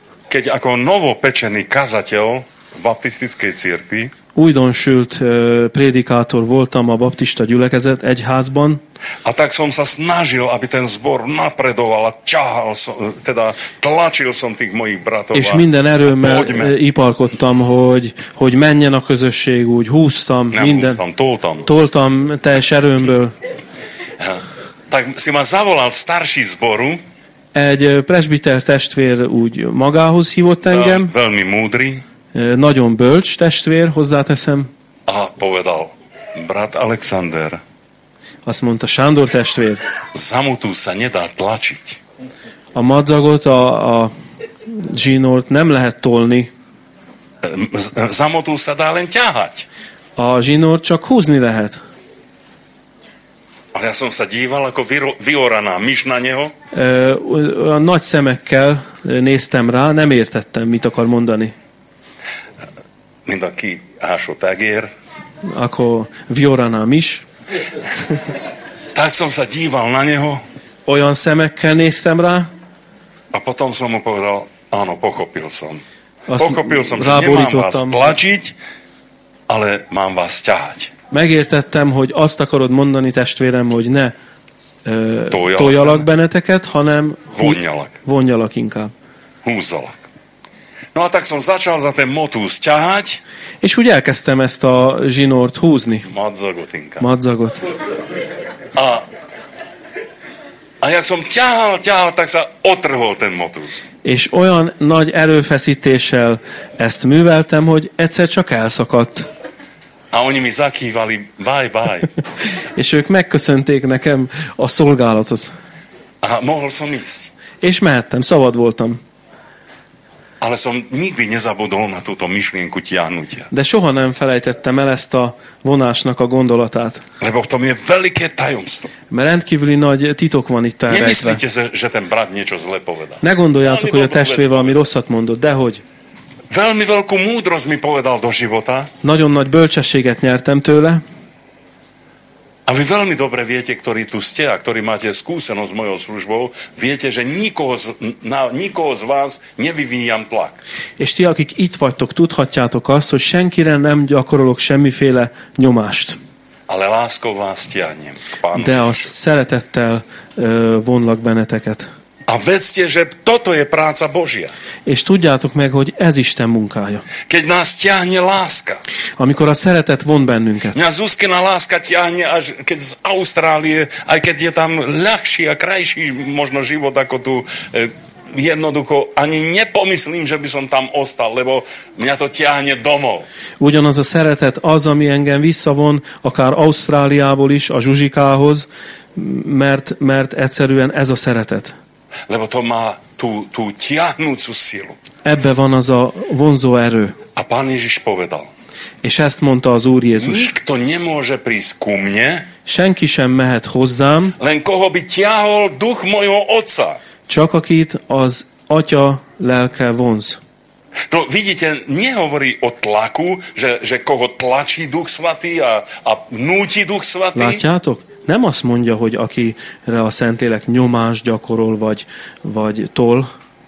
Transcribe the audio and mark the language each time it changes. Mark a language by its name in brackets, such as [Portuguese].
[Slovak] Keď ako novopečený kazateľ v baptistickej cirkvi. [Hungarian] Újdonsült prédikátor voltam a baptista gyülekezet egyházban. [Slovak] A tak som sa snažil, aby ten zbor napredoval a ťahal som, teda tlačil som tých mojich bratov. [Hungarian] És minden erőmmel iparkodtam, hogy menjen a közösség, úgy húztam. Nem minden. Húztam, toltam. Toltam teljes erőmből. [Slovak] Tak si ma zavolal starší zboru. [Hungarian] Egy presbiter testvér úgy magához hívott engem. [Slovak] Veľmi múdry. [Hungarian] Nagyon bölcs testvér, hozzáteszem. [Slovak] A povedal, brat Alexander. [Hungarian] Azt mondta, Sándor testvér. [Slovak] Zamutú sa nedá tlačiť. [Hungarian] A madzagot, a zsinort nem lehet tolni. [Slovak] Zamutú sa dá len ťahať. [Hungarian] A zsinort csak húzni lehet. [Slovak] Ale ja som sa díval, ako vyoraná myš na neho. [Hungarian] Nagy szemekkel néztem rá, nem értettem, mit akar mondani. Mint aki ásott egér. Akkor vioranám is. [Slovak] Tak som sa díval na neho. [Hungarian] Olyan szemekkel néztem rá. [Slovak] A potom som mu povedal, áno, pochopil som. Pochopil som, že nemám vás tlačiť, ale mám vás ťahať. [Hungarian] Megértettem, hogy azt akarod mondani, testvérem, hogy ne toljalak benneteket, hanem vonjalak inkább. Húzzalak. [Slovak] No a tak som začal za ten motúz ťahať. [Hungarian] És úgy elkezdtem ezt a zsinort húzni. Madzagot inkább. Madzagot. [Slovak] A jak som ťahal, tak sa otrhol ten motúz. [Hungarian] És olyan nagy erőfeszítéssel ezt műveltem, hogy egyszer csak elszakadt. [Slovak] A oni mi zakývali, [English] bye bye. [Hungarian] És ők megköszönték nekem a szolgálatot. [Slovak] A mohol som ísť. [Hungarian] És mehettem, szabad voltam. [Slovak] Ale som nikdy nezabudol na túto myšlienku tiahnutia. [Hungarian] De soha nem felejtettem el ezt a vonásnak a gondolatát. [Slovak] Lebo v tom je veľké tajomstvo. [Hungarian] Mert rendkívüli nagy titok van itt elrejtve. [Slovak] Nemyslíte, že ten brat niečo zle povedal. [Hungarian] Ne gondoljátok, hogy a testvér valami rosszat mondott, dehogy. [Slovak] Veľmi veľkú múdrosť mi povedal do života. [Hungarian] Nagyon nagy bölcsességet nyertem tőle. [Slovak] A vy veľmi dobre viete, ktorí tu ste a ktorí máte skúsenosť s mojou službou, viete, že nikoho z vás nevyvíjam tlak. [Hungarian] És ti, akik itt vagytok, tudhatjátok azt, hogy senkire nem gyakorolok semmiféle nyomást. [Slovak] Ale láskou vás tiahnem k Pánu. [Hungarian] De a szeretettel vonlak benneteket. [Slovak] A vedzte, že toto je práca Božia. [Hungarian] És tudjátok meg, hogy ez Isten munkája. [Slovak] Keď nás ťahne láska. Amikor a szeretet von bennünket. Mňa Zuzkina láska ťahne, až keď z Austrálie, aj keď je tam ľahší a krajší možno život ako tu, jednoducho ani nepomyslím, že by som tam ostal, lebo mňa to ťahne domov. [Hungarian] Ugyanaz a szeretet az, ami engem visszavon, akár Ausztráliából is, a Zsuzsikához, mert egyszerűen ez a szeretet. [Slovak] Lebo to má tú ťahnúcu silu. [Hungarian] Ebbe van az a vonzó erő. [Slovak] A Pán Ježiš povedal. [Hungarian] És ezt mondta az Úr Jézus. [Slovak] Nikto nemôže prísť ku mne. [Hungarian] Senki sem mehet hozzám. [Slovak] Len koho by ťahol duch mojho otca. [Hungarian] Csak akit az atya lelke vonz. [Slovak] No, vidíte, nehovorí o tlaku, že koho tlačí duch svatý a núti duch svatý. [Hungarian] Látjátok? Nem azt mondja, hogy akire a Szentlélek nyomást gyakorol, vagy tol.